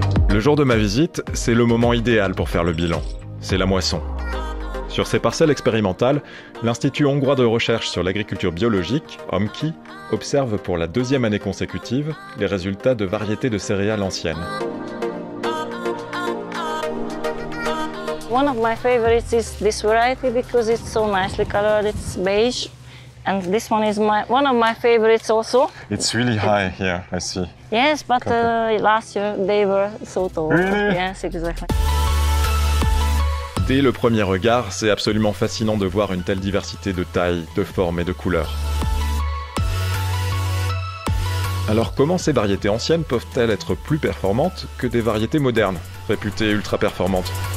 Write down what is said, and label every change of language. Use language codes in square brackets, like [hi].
[fr] Le jour de ma visite, c'est le moment idéal pour faire le bilan. C'est la moisson. Sur ces parcelles expérimentales, l'Institut hongrois de recherche sur l'agriculture biologique, OMKI, observe pour la deuxième année consécutive les résultats de variétés de céréales anciennes. [en] One of my favorites is this variety because it's so nicely colored. It's beige, and this one is one of my favorites also. It's really high here. I see. Yes, but last year they were so tall. Really? Yes, exactly. [fr] Dès le premier regard, c'est absolument fascinant de voir une telle diversité de tailles, de formes et de couleurs. Alors comment ces variétés anciennes peuvent-elles être plus performantes que des variétés modernes, réputées ultra performantes?